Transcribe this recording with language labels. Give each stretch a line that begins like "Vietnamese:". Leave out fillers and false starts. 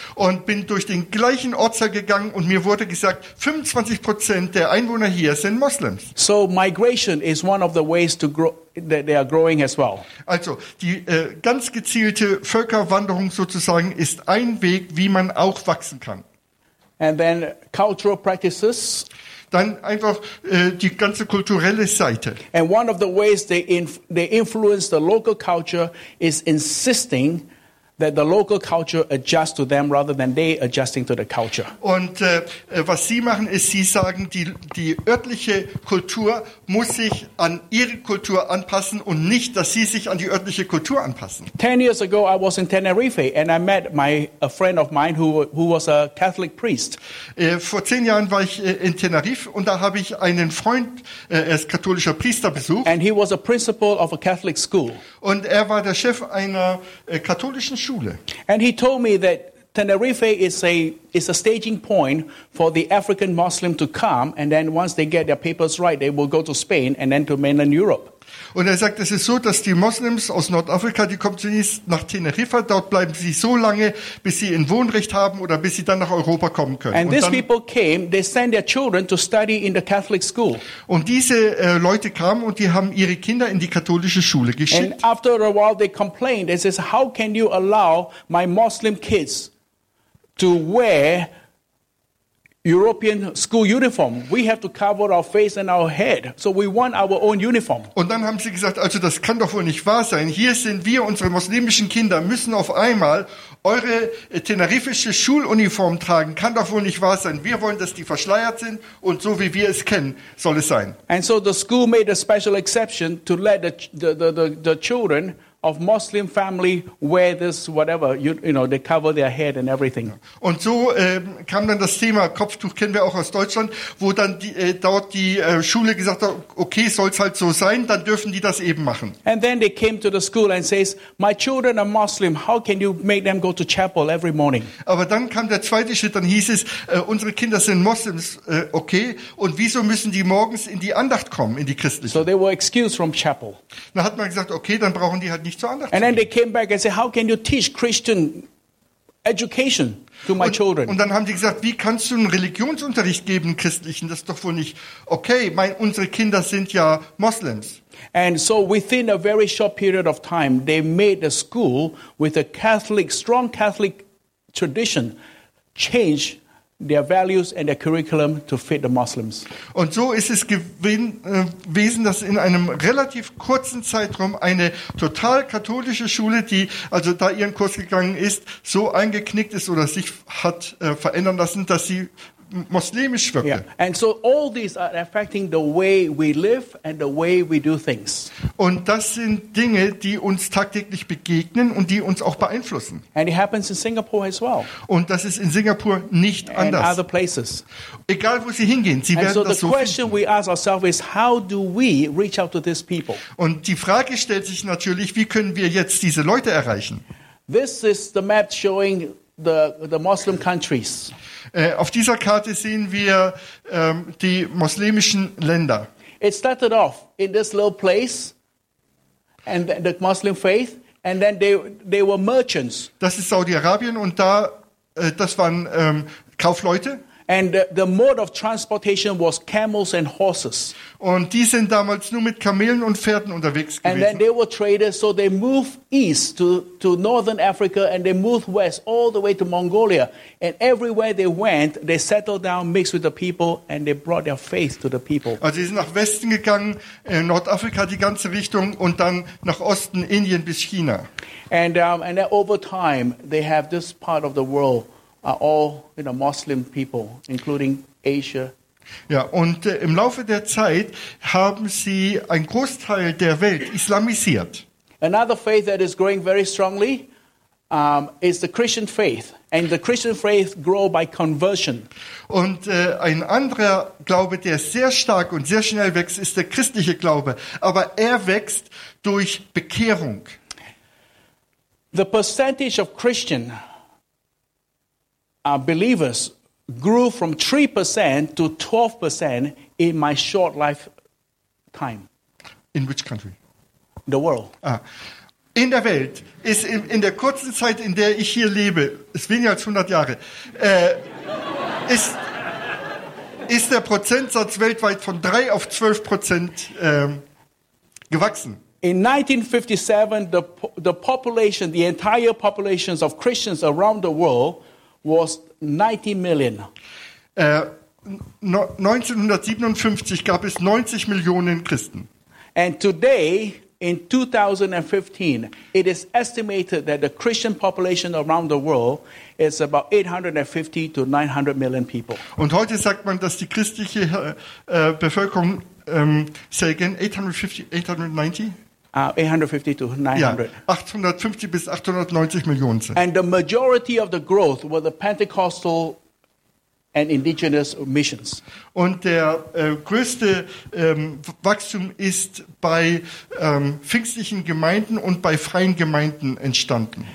German: Und bin durch den gleichen Ortsteil gegangen und mir wurde gesagt, 25% der Einwohner hier sind Muslims.
English: So migration is one of the ways to grow. That they are growing as well.
German: Also, die ganz gezielte Völkerwanderung sozusagen ist ein Weg, wie man auch wachsen kann.
English: And then cultural practices.
German: Dann einfach die ganze kulturelle Seite.
English: And one of the ways they influence the local culture is insisting that the local culture adjust to them rather than they adjusting to the culture.
German: Und was sie machen ist, sie sagen, die örtliche Kultur muss sich an ihre Kultur anpassen und nicht, dass sie sich an die örtliche Kultur anpassen.
English: 10 years ago I was in Tenerife and I met a friend of mine who was a Catholic priest.
German: Vor 10 Jahren war ich in Tenerife und da habe ich einen Freund, er ist katholischer Priester, besucht.
English: And he was a principal of a Catholic school.
German: Und er war der Chef einer katholischen Schule.
English: And he told me that Tenerife is a staging point for the African Muslim to come, and then once they get their papers right, they will go to Spain and then to mainland Europe.
German: Und er sagt, es ist so, dass die Moslems aus Nordafrika, die kommen zunächst nach Teneriffa, dort bleiben sie so lange, bis sie ein Wohnrecht haben oder bis sie dann nach Europa kommen können.
English: And these people came, they send their children to study in the Catholic school.
German: Und diese Leute kamen und die haben ihre Kinder in die katholische Schule geschickt.
English: And after a while they complained, they says, how can you allow my Muslim kids to wear European school uniform. We have to cover our face and our head. So we want our own uniform.
German: Und dann haben sie gesagt, also das kann doch wohl nicht wahr sein. Hier sind wir, unsere muslimischen Kinder, müssen auf einmal eure tenerifische Schuluniform tragen. Kann doch wohl nicht wahr sein. Wir wollen, dass die verschleiert sind. Und so wie wir es kennen, soll es sein.
English: And so the school made a special exception to let the children of Muslim family wear this whatever you know, they cover their head and everything.
German: Und so kam dann das Thema Kopftuch, kennen wir auch aus Deutschland, wo dann Schule gesagt hat, okay, soll's halt so sein, dann dürfen die das eben machen.
English: And then they came to the school and says, my children are Muslim, how can you make them go to chapel every morning?
German: Aber dann kam der zweite Schritt, dann hieß es, unsere Kinder sind Muslims, okay, und wieso müssen die morgens in die Andacht kommen, in die christliche?
English: So they were excused from chapel.
German: Dann hat man gesagt, okay, dann brauchen die halt nicht zur Andacht.
English: And then they came back and said, how can you teach Christian education to my children?
German: Und dann haben die gesagt, wie kannst du einen Religionsunterricht geben, christlichen? Das ist doch wohl nicht okay. Unsere Kinder sind ja Muslims.
English: And so within a very short period of time, they made the school with a Catholic, strong Catholic tradition change their values and their curriculum to fit the Muslims.
German: Und so ist es gewesen, dass in einem relativ kurzen Zeitraum eine total katholische Schule, die also da ihren Kurs gegangen ist, so eingeknickt ist oder sich hat verändern lassen, dass sie muslimisch wirkte.
English: Yeah. And so all these are affecting the way we live and the way we do things.
German: Und das sind Dinge, die uns tagtäglich begegnen und die uns auch beeinflussen.
English: And it happens in Singapore as well.
German: Und das ist in Singapur nicht
English: and
German: anders.
English: Other places.
German: Egal wo sie hingehen, sie
English: and
German: werden
English: so
German: das so.
English: And so the question
German: finden.
English: We ask ourselves is how do we reach out to these people?
German: Und die Frage stellt sich natürlich, wie können wir jetzt diese Leute erreichen?
English: This is the map showing the Muslim countries.
German: Auf dieser Karte sehen wir die muslimischen Länder.
English: It started off in this little place and the Muslim faith and then they were merchants.
German: Das ist Saudi-Arabien und da das waren Kaufleute.
English: And the mode of transportation was camels and horses.
German: Und die sind damals nur mit Kamelen und Pferden unterwegs gewesen.
English: And then they were traders, so they moved east to northern Africa and they moved west all the way to Mongolia. And everywhere they went, they settled down, mixed with the people and they brought their faith to the people.
German: Also sie sind nach Westen gegangen, in Nordafrika die ganze Richtung und dann nach Osten, Indien bis China.
English: And then over time, they have this part of the world are all, you know, Muslim people, including Asia.
German: Ja, und im Laufe der Zeit haben sie einen Großteil der Welt islamisiert.
English: Another faith that is growing very strongly is the Christian faith, and the Christian faith grow by conversion.
German: Und ein anderer Glaube, der sehr stark und sehr schnell wächst, ist der christliche Glaube, aber er wächst durch Bekehrung.
English: The percentage of Christian believers grew from 3% to 12% in my short lifetime. In which country? The world. Ah.
German: In der Welt ist in der kurzen Zeit, in der ich hier lebe, ist weniger als 100 Jahre, ist der Prozentsatz weltweit von 3 auf 12% gewachsen.
English: In 1957, the population, the entire populations of Christians around the world was 90 million.
German: 1957 gab es 90 Millionen Christen.
English: And today, in 2015, it is estimated that the Christian population around the world is about 850 to 900 million people.
German: Und heute sagt man, dass die christliche Bevölkerung,
English: say again,
German: 850 bis 890 Millionen sind.
English: And the majority of the growth were the Pentecostal and indigenous missions.
German: Und der größte Wachstum ist bei pfingstlichen Gemeinden und bei freien Gemeinden entstanden.